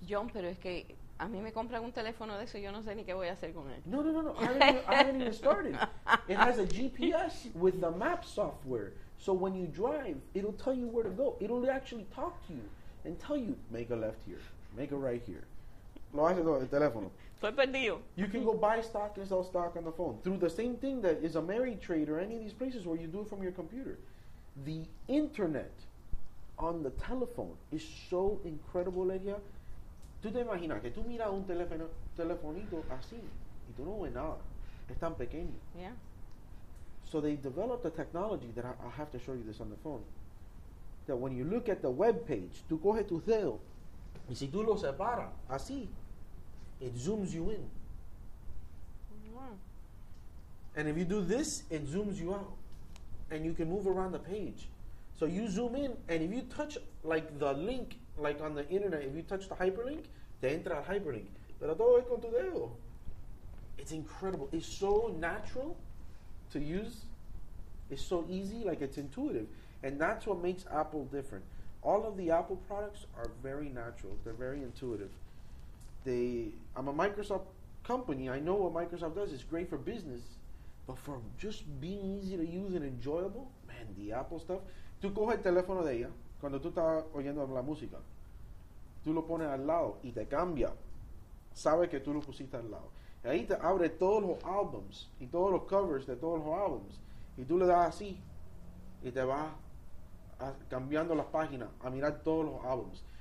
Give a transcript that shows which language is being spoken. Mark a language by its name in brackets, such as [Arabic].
[Spanish] John, pero es que a mí me compran un teléfono de eso y yo no sé ni qué voy a hacer con él. [English] No. I haven't even started. It has a GPS with the map software. So when you drive, it'll tell you where to go. It'll actually talk to you and tell you, make a left here, make a right here. [Spanish] Lo hace todo el teléfono. Estoy perdido. [English] You can go buy stock and sell stock on the phone through the same thing that is Ameritrade or any of these places where you do it from your computer. The internet on the telephone is so incredible, Lydia. [Spanish] Tú te imaginas que tú miras un telefonito así y tú no ves nada. Es tan pequeño. [English] Yeah. So they developed a technology that I have to show you this on the phone. That when you look at the web page, [Spanish] tú coges tu dedo y si tú lo separas así, [English] it zooms you in. Yeah. And if you do this, it zooms you out. And you can move around the page. So you zoom in, and if you touch like the link, like on the internet, if you touch the hyperlink, [Spanish] te entra al hyperlink. Pero todo es con tu dedo. [English] It's incredible. It's so natural to use. It's so easy, like it's intuitive. And that's what makes Apple different. All of the Apple products are very natural. They're very intuitive. I'm a Microsoft company. I know what Microsoft does. It's great for business. But for just being easy to use and enjoyable, man, the Apple stuff. [Spanish] Tú coges el teléfono de ella cuando tú estás oyendo la música. Tú lo pones al lado y te cambia. Sabe que tú lo pusiste al lado. Y ahí te abre todos los albums y todos los covers de todos los albums. Y tú le das así y te va cambiando las páginas a mirar todos los albums.